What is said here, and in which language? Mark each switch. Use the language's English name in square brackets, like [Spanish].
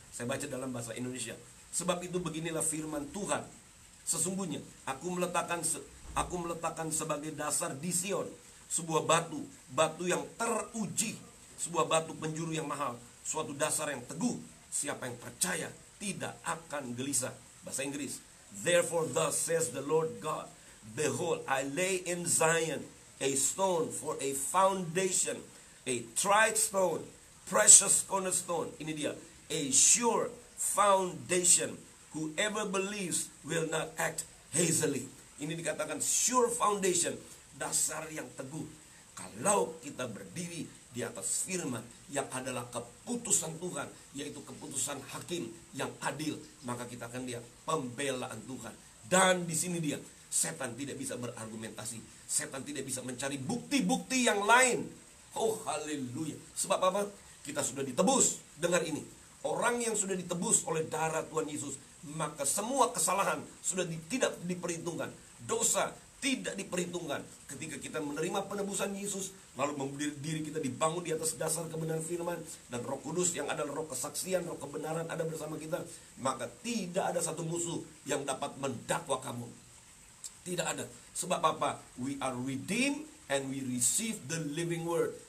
[Indonesian] Saya baca dalam bahasa Indonesia. Sebab itu beginilah firman Tuhan. Sesungguhnya aku meletakkan sebagai dasar di Sion sebuah batu yang teruji, sebuah batu penjuru yang mahal, suatu dasar yang teguh. Siapa yang percaya tidak akan gelisah. Bahasa Inggris. [English] Therefore thus says the Lord God, behold, I lay in Zion a stone for a foundation, a tried stone, precious cornerstone. [Indonesian] Ini dia, [English] a sure foundation. Whoever believes will not act hastily. [Indonesian] Ini dikatakan [English] sure foundation, [Indonesian] dasar yang teguh. Kalau kita berdiri di atas firman yang adalah keputusan Tuhan, yaitu keputusan hakim yang adil, maka kita akan lihat pembelaan Tuhan. Dan di sini dia, setan tidak bisa berargumentasi. Setan tidak bisa mencari bukti-bukti yang lain. Oh, haleluya. Sebab apa? Kita sudah ditebus. Dengar ini. Orang yang sudah ditebus oleh darah Tuhan Yesus, maka semua kesalahan sudah tidak diperhitungkan. Dosa tidak diperhitungkan. Ketika kita menerima penebusan Yesus, lalu diri kita dibangun di atas dasar kebenaran firman, dan Roh Kudus yang adalah roh kesaksian, roh kebenaran ada bersama kita, maka tidak ada satu musuh yang dapat mendakwa kamu. Tidak ada. Sebab apa? [English] We are redeemed and we receive the living word.